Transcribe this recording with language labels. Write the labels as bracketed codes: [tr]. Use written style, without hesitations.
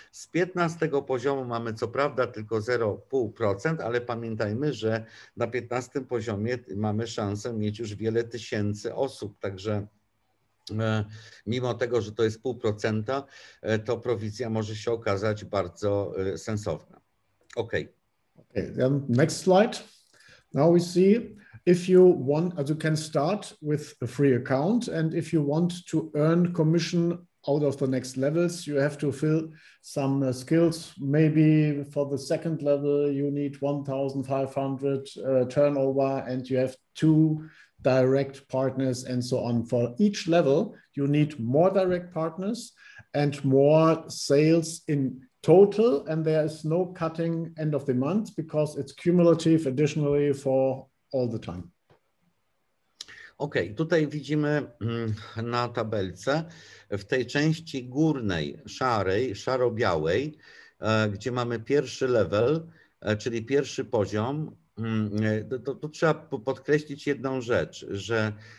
[pl] Z 15 poziomu mamy co prawda tylko 0,5%, ale pamiętajmy, że na 15 poziomie mamy szansę mieć już wiele tysięcy osób, także mimo tego, że to jest 0,5%, to prowizja może się okazać bardzo sensowna. [en] Okay. Okay, then next slide. Now we see if you want, as you can start with a free account and if you want to earn commission out of the next levels, you have to fill some skills. Maybe for the second level, you need 1,500 turnover and you have two direct partners and so on. For each level, you need more direct partners and more sales in total. And there is no cutting end of the month because it's cumulative additionally for all the time. [pl] Okej, okay, tutaj widzimy na tabelce w tej części górnej, szarej, szaro-białej, gdzie mamy pierwszy level, czyli pierwszy poziom, to trzeba podkreślić jedną rzecz, że